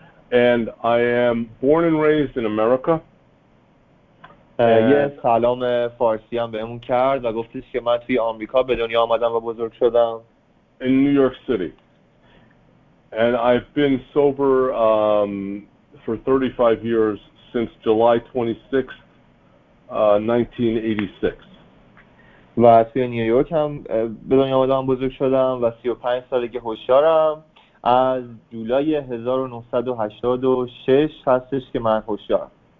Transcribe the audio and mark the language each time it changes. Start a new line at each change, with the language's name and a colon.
English: And I am born and raised in America.
Persian: یه سلام فارسی هم بهمون کرد و گفتش که من توی آمریکا به دنیا آمدم و بزرگ شدم.
English: In New York City. And I've been sober for 35 years since July 26th, 1986.
Persian: و توی نیویورک هم به دنیا آمدم و بزرگ شدم و 35 سالگی هوشیارم. از جولای 1986 هستش که من هوشیارم.